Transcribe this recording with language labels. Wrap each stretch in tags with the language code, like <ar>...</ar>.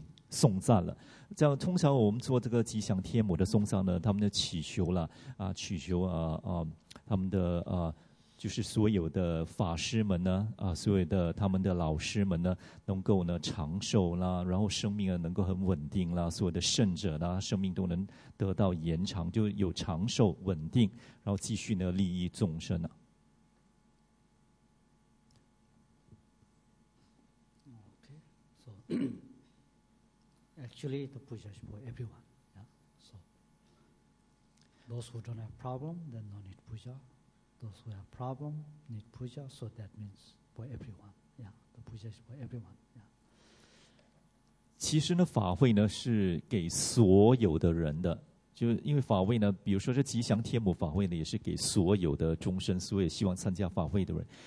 <zh>颂赞了。这样通常我们做这个吉祥天母的颂赞呢，他们就祈求了啊，祈求他们的就是所有的法师们呢所有的他们的老师们呢，能够呢长寿啦，然后生命呢能够很稳定啦，所有的圣者呢生命都能得到延长，就有长寿稳定，然后继续呢利益众生啊。</zh> <en>Okay, so actually the puja is for everyone. Yeah, so those who don't have problem, then no need puja. Those who have problem need puja, so that means for everyone. Yeah, the puja is for everyone. Yeah.</en> <zh>其实呢，法会呢是给所有的人的，就因为法会呢，比如说这吉祥天母法会呢，也是给所有的众生，所有希望参加法会的人。</zh>